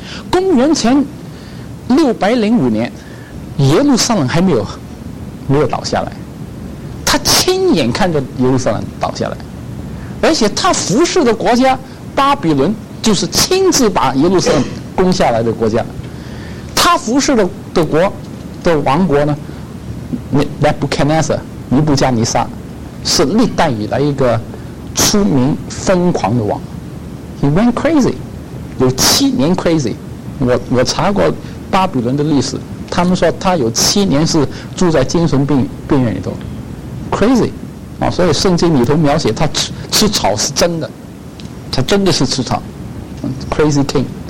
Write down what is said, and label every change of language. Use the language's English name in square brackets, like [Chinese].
[Chinese] 公元前605年，耶路撒冷还没有倒下来，他亲眼看着耶路撒冷倒下来，而且他服侍的国家巴比伦就是亲自把耶路撒冷攻下来的国家，他服侍的国的王国呢，Nebuchadnezzar尼布加尼撒，是历代以来一个出名疯狂的王。 [English] He went crazy， [Chinese] 有7年 [English] crazy。 [Chinese] 我查过巴比伦的历史，他们说他有7年是住在精神病院里头， crazy 啊，所以圣经里头描写他吃草是真的，他真的是吃草， [English] crazy king。